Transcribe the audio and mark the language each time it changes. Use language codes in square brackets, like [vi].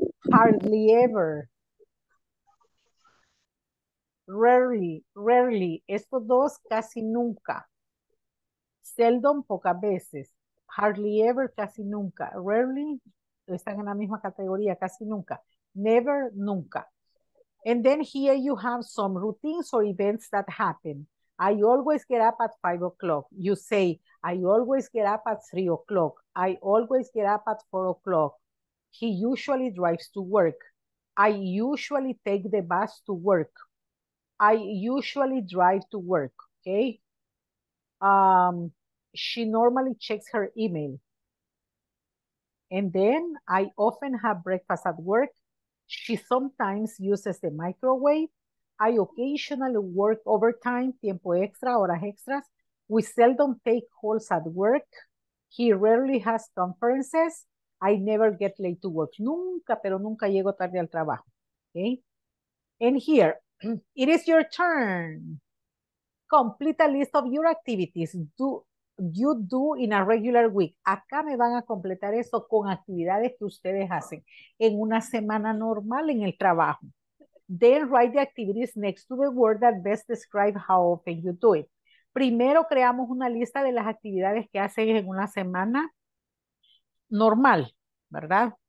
[en] Hardly ever. Rarely, rarely. [es] Estos dos casi nunca. Seldom, pocas veces. [en] Hardly ever, [es] casi nunca. Rarely, están en la misma categoría, casi nunca. Never, nunca. [en] And then here you have some routines or events that happen. I always get up at 5 o'clock. You say, I always get up at 3 o'clock. I always get up at 4 o'clock. He usually drives to work. I usually take the bus to work. I usually drive to work, okay? She normally checks her email. And then I often have breakfast at work. She sometimes uses the microwave. I occasionally work overtime, [es] tiempo extra, horas extras. [en] We seldom take calls at work. He rarely has conferences. I never get late to work. [es] Nunca, pero nunca llego tarde al trabajo, okay? [en] And here, it is your turn. Complete a list of your activities you do in a regular week. [es] Acá me van a completar eso con actividades que ustedes hacen en una semana normal en el trabajo. [en] Then write the activities next to the word that best describe how often you do it. [es] Primero creamos una lista de las actividades que hacen en una semana normal, ¿verdad?